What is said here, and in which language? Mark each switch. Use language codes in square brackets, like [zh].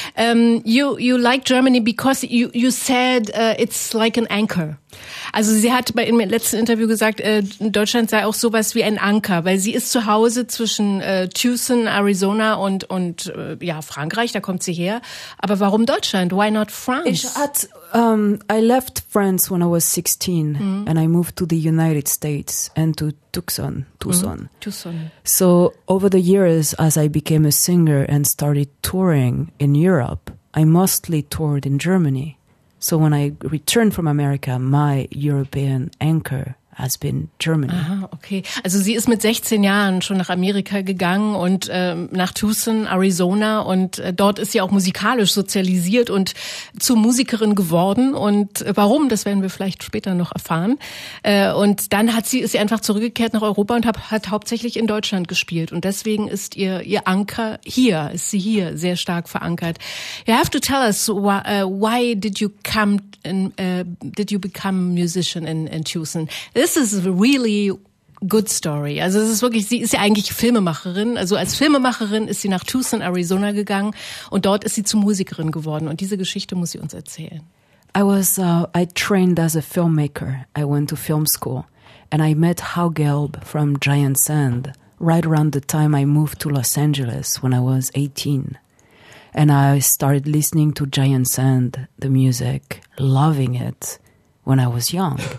[en] You like Germany because you said it's like an anchor. [de] Also sie hat bei im letzten Interview gesagt, Deutschland sei auch sowas wie ein Anker, weil sie ist zu Hause zwischen Tucson, Arizona und Frankreich, da kommt sie her. Aber warum Deutschland? [en] Why not France? I left France when I was 16 and I moved to the United States and to Tucson. Tucson. So over the years, as I became a singer and started touring in Europe, I mostly toured in Germany. So when I returned from America, my European anchor has been Germany. [de] Aha, okay. Also sie ist mit 16 Jahren schon nach Amerika gegangen und nach Tucson, Arizona. Und dort ist sie auch musikalisch sozialisiert und zur Musikerin geworden. Und warum, das werden wir vielleicht später noch erfahren. Und dann ist sie einfach zurückgekehrt nach Europa und hat hauptsächlich in Deutschland gespielt. Und deswegen ist ihr Anker hier, ist sie hier sehr stark verankert. [en] You have to tell us, why did you become a musician in Tucson? This is a really good story. [de] Also es ist wirklich, sie ist ja eigentlich Filmemacherin. Also als Filmemacherin ist sie nach Tucson, Arizona gegangen und dort ist sie zu Musikerin geworden. Und diese Geschichte muss sie uns erzählen. [en] I trained as a filmmaker. I went to film school and I met Hau Gelb from Giant Sand right around the time I moved to Los Angeles when I was 18. And I started listening to Giant Sand, the music, loving it when I was young.